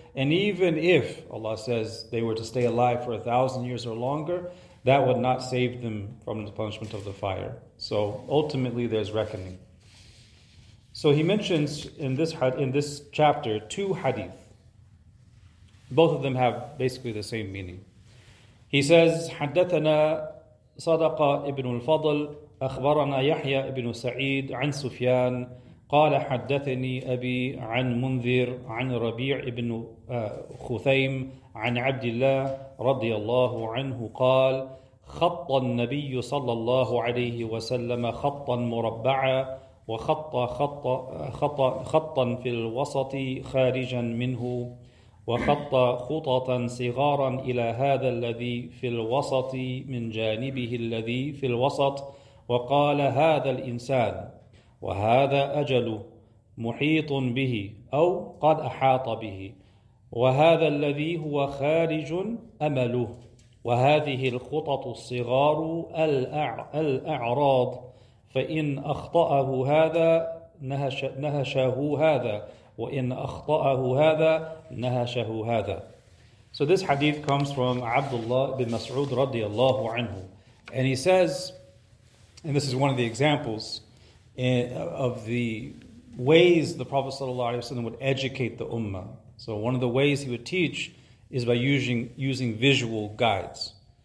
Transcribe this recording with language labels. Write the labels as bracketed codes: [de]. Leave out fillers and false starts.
[en] And even if, Allah says, they were to stay alive for 1,000 years or longer, that would not save them from the punishment of the fire. So ultimately there's reckoning. So he mentions in this chapter two hadith. Both of them have basically the same meaning. He says, [ar] حَدَّثَنَا صَدَقَ إِبْنُ الْفَضْلِ أخبرنا يحيى بن سعيد عن سفيان قال حدثني أبي عن منذر عن ربيع بن خثيم عن عبد الله رضي الله عنه قال خط النبي صلى الله عليه وسلم خطا مربعا وخط خطا في الوسط خارجا منه وخط خططا صغارا إلى هذا الذي في الوسط من جانبه الذي في الوسط وقال هذا الإنسان وهذا أجله محيط به أو قد أحاط به وهذا الذي هو خارج أمله وهذه الخطط الصغار الأعراض فإن أخطأه هذا نهشه هذا وإن أخطأه هذا نهشه هذا. [en] So this hadith comes from Abdullah bin Mas'ud رضي الله عنه, and he says, and this is one of the examples of the ways the Prophet ﷺ would educate the ummah. So one of the ways he would teach is by using visual guides.